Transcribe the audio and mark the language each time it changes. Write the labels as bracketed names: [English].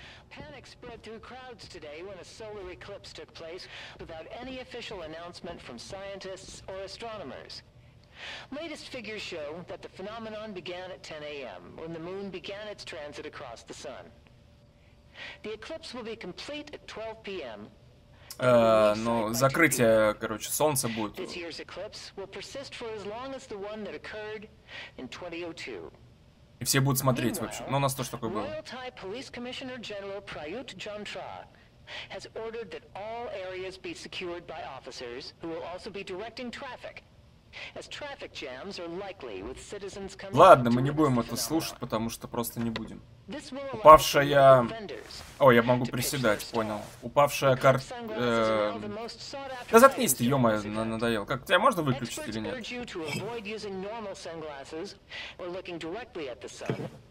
[English] Panic spread through crowds today when a solar eclipse took place without any official announcement from scientists or astronomers. Latest figures show that the phenomenon began at 10 a.m. when the moon began its transit across the sun. The eclipse will be complete at 12 p.m. [Russian] Но закрытие, короче, солнца будет. [English] This year's eclipse will persist for as long as the one that occurred in 2002. [Russian] И все будут смотреть, в общем. Но у нас тоже такое было. [English] Royal Thai Police Commissioner General Prayut Chan-Tra has ordered that all areas be secured by officers who will also be directing traffic, as traffic jams are likely with citizens coming. [Russian] Ладно, мы не будем это слушать, потому что просто не будем. Упавшая... О, я могу приседать, понял. Упавшая кар... Да заткнись ты, ё-моё, надоел. Как, тебя можно выключить или нет?